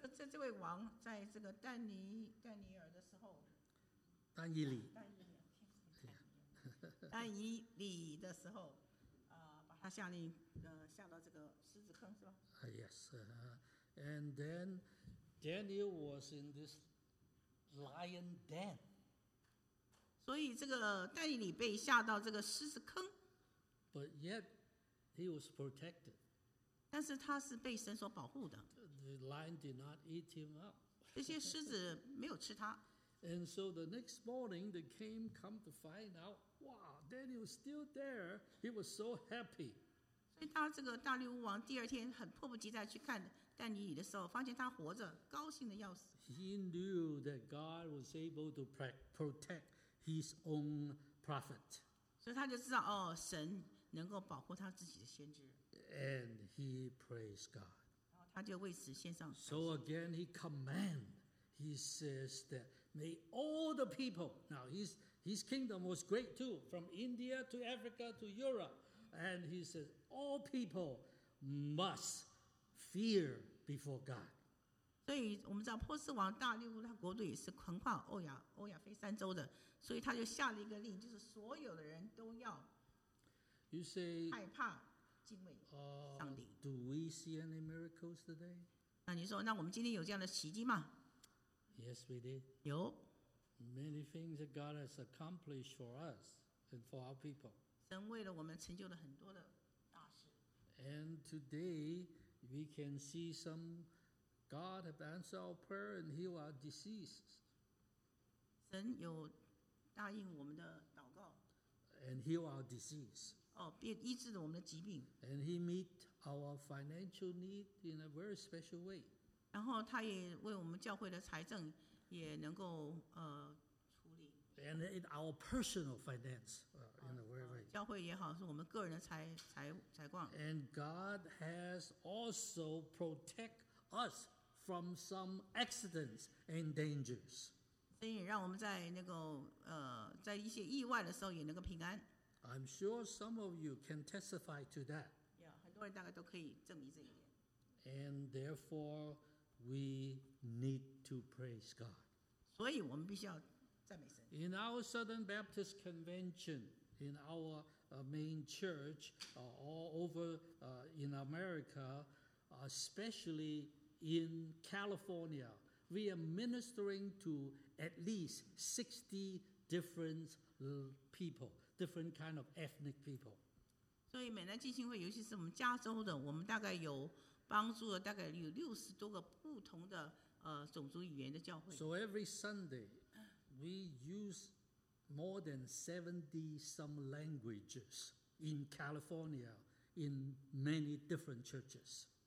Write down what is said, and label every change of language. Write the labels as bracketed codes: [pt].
[zh] 这位王在这个丹尼尔的时候，丹尼里的时候，把他下令下到这个狮子坑是吧？ [en] Yes, and then Daniel was in this lion den. [zh] 所以这个丹尼里被下到这个狮子坑。 [en] But yet he was protected. [zh] 但是他是被神所保护的。 [en] The lion did not eat him up. [zh] 这些狮子没有吃他。 [en] And so the next morning, the king came to find out, wow, Daniel was still there. He was so happy. [zh] 所以他这个大力乌王第二天很迫不及待去看丹尼里的时候，发现他活着，高兴的要死。 [en] He knew that God was able to protect his own prophet. [zh] 所以他就知道，哦，神能够保护他自己的先知。 [en] And he praised God. [zh] 他就为此献上。 [en] So again, he command. He says that may all the people. Now his kingdom was great too, from India to Africa to Europe. And he says all people must fear before God. [zh] 所以我们知道波斯王大力乌他国度也是横跨欧亚，欧亚非三州的，所以他就下了一个令，就是所有的人都要害怕敬畏上帝。 [en] Do we see any miracles today? [zh] 那你说那我们今天有这样的奇迹吗？ [en] Yes we did. [zh] 有 [en] Many things that God has accomplished for us and for our people. [zh] 神为了我们成就了很多的大事。 [en] And today we can see some God have answered our prayer and healed our disease. [zh] 神有答应我们的祷告。 [en] And healed our disease. [zh] 哦，便医治了我们的疾病。 [en] And he meet our financial need in a very special way. [zh] 然后他也为我们教会的财政也能够处理。 [en] And in our personal finance in a very way. [zh] 教会也好，是我们个人的财况。 [en] And God has also protect us from some accidents and dangers. [zh] 所以让我们在那个在一些意外的时候也能够平安。 [en] I'm sure some of you can testify to that. [zh] Yeah, 很多人大概都可以证明这一点。 [en] And therefore, we need to praise God. [zh] 所以我们必须要赞美神。 [en] In our Southern Baptist Convention, in our main church, all over in America, especially in California, we are ministering to at least 60 different people, different kind of ethnic people. [zh] 所以美南浸信会，尤其是我们加州的，我们大概有帮助了大概有60多个不同的种族语言的教会。 [en] So every Sunday, we use more than 70 some languages in California in many different churches.